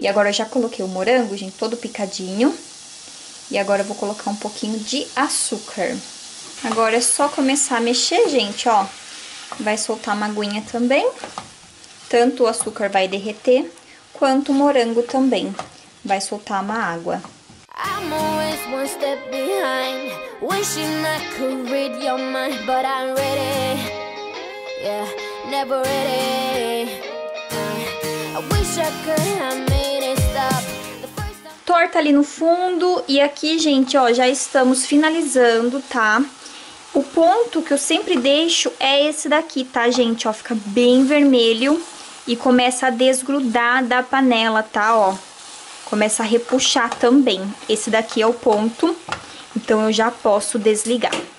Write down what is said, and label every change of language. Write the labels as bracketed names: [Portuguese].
[Portuguese] E agora eu já coloquei o morango, gente, todo picadinho. E agora eu vou colocar um pouquinho de açúcar. Agora é só começar a mexer, gente, ó. Vai soltar uma aguinha também. Tanto o açúcar vai derreter, quanto o morango também vai soltar uma água. [English] I'm always one step behind, wishing I could read your mind, but I'm ready. Yeah, never ready. I wish I could have made it stop. [Portuguese] Torta ali no fundo, e aqui, gente, ó, já estamos finalizando, tá? O ponto que eu sempre deixo é esse daqui, tá, gente? Ó, fica bem vermelho e começa a desgrudar da panela, tá? Ó, começa a repuxar também. Esse daqui é o ponto, então eu já posso desligar.